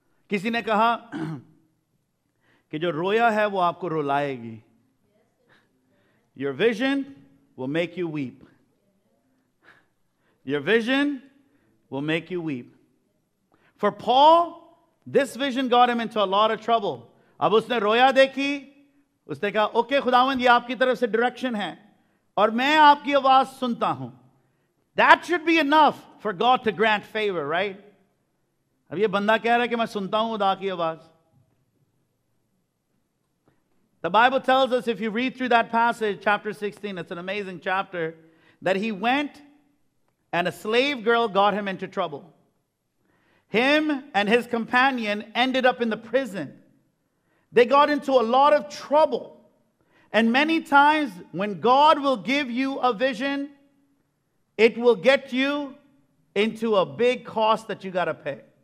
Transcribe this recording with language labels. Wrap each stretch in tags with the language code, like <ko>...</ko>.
<hi>Kisi ne kaha कि जो रोया है वो आपको रुलाएगी.</hi> <en>Your vision will make you weep. Your vision will make you weep. For Paul, this vision got him into a lot of trouble.</en> <hi>अब उसने रोया देखी, उसने कहा, ओके खुदावंद, ये आपकी तरफ से डायरेक्शन है और मैं आपकी आवाज सुनता हूं.</hi> <en>That should be enough for God to grant favor, right?</en> <hi>अब ये बंदा कह रहा है कि मैं सुनता हूं खुदा की आवाज.</hi> <en>The Bible tells us, if you read through that passage, chapter 16, it's an amazing chapter, that he went and a slave girl got him into trouble. Him and his companion ended up in the prison. They got into a lot of trouble. And many times when God will give you a vision, it will get you into a big cost that you got to pay.</en>